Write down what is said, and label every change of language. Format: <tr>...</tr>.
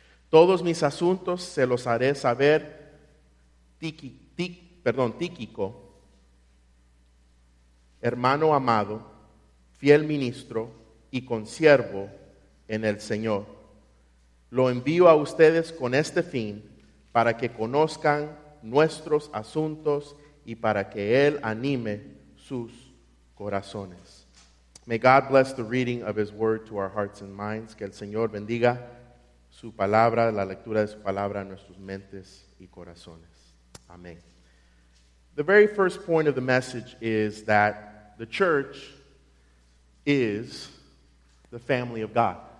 <es>Todos mis asuntos se los haré saber Tíquico, hermano amado, fiel ministro y consiervo en el Señor. Lo envío a ustedes con este fin, para que conozcan nuestros asuntos y para que Él anime sus corazones.</es> <en>May God bless the reading of His word to our hearts and minds.</en> <es>Que el Señor bendiga su palabra, la lectura de su palabra a nuestras mentes y corazones. Amén.</es> <en>The very first point of the message is that the church is the family of God.</en>